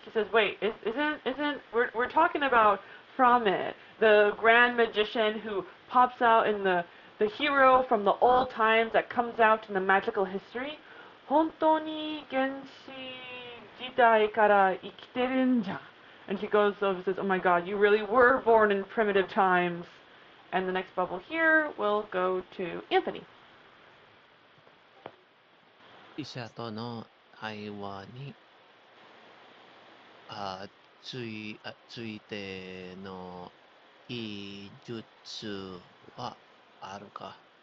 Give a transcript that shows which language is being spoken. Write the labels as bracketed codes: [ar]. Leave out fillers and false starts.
[en] She says, wait, we're talking about Frame, the grand magician who pops out in the hero from the old times that comes out in the magical history. [ja] 本当に原始時代から生きてるんじゃ? [en] And she goes over and says, oh my god, you really were born in primitive times. And the next bubble here will go to Anthony. [ja] 医者との会話に、ついての技術はあるか。